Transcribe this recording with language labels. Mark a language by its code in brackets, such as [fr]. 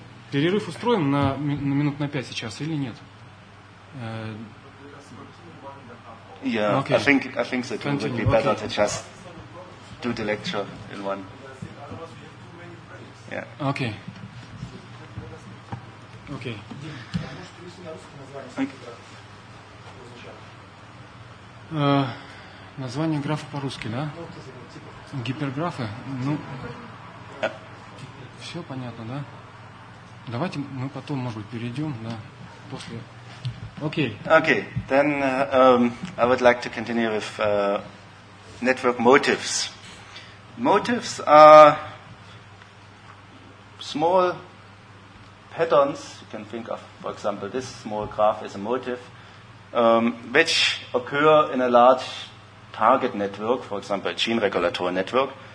[ru] Перерыв устроен на минут на 5 сейчас или нет? [en] Yeah, okay. I think that it would be better okay. to just do the lecture in one. Yeah. Okay. Okay. [ru] Название графа по-русски, да? Гиперграфы? Ну, все понятно, да? Давайте мы потом, может быть, перейдем, да, после. Окей. [en] Okay, then I would like to continue with network motifs. Motifs are small patterns. You can think of, for example, this small graph is a motive, which occur in a large target network, for example, a gene regulatory network.